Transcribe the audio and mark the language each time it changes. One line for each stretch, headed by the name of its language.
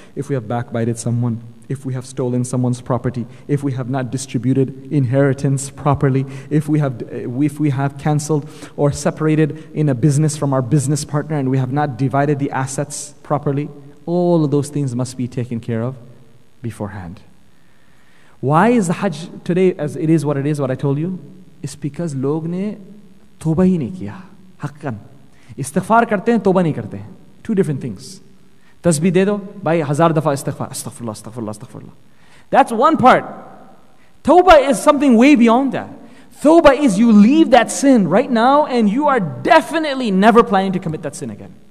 English: If we have backbited someone, if we have stolen someone's property, if we have not distributed inheritance properly, if we have canceled or separated in a business from our business partner and we have not divided the assets properly, all of those things must be taken care of beforehand. Why is the Hajj today as it is what it is, what I told you? It's because
Urdu: لوگ نے توبہ ہی نہیں کیا۔
Arabic: Haqqan.
Urdu: استغفار کرتے ہیں، توبہ نہیں کرتے ہیں۔
English: Two different things.
Urdu: تسبیح دے دو، بھائی ہزار دفعہ استغفار۔
Arabic: Astaghfirullah, astaghfirullah, astaghfirullah.
English: That's one part. Toba is something way beyond that. Toba is you leave that sin right now and you are definitely never planning to commit that sin again.